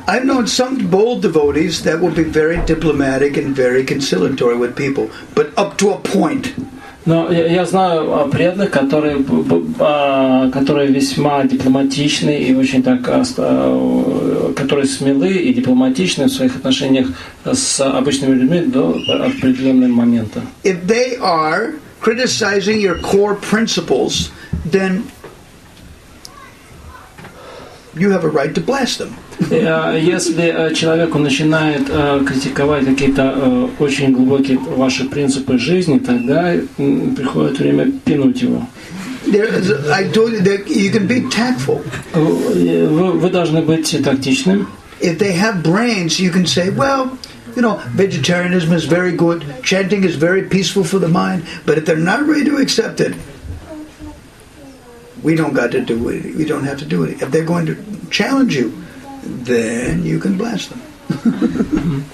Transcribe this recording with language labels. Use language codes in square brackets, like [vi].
[en] I've known some bold devotees that will be very diplomatic and very conciliatory with people, but up to a point. [ru] Но я знаю преданных, которые весьма дипломатичны и очень так, которые смелы и дипломатичны в своих отношениях с обычными людьми до определенного момента. [en] If they are criticizing your core principles, then you have a right to blast them. [ru] Если человеку начинает критиковать какие-то очень глубокие ваши принципы жизни, тогда приходит время пинуть его. [en] You can be tactful. [ru] Вы должны быть тактичным. [en] If they have brains, you can say, well, you know, vegetarianism is very good, chanting is very peaceful for the mind, but if they're not ready to accept it, we don't got to do it. We don't have to do it. If they're going to challenge you, then you can blast them.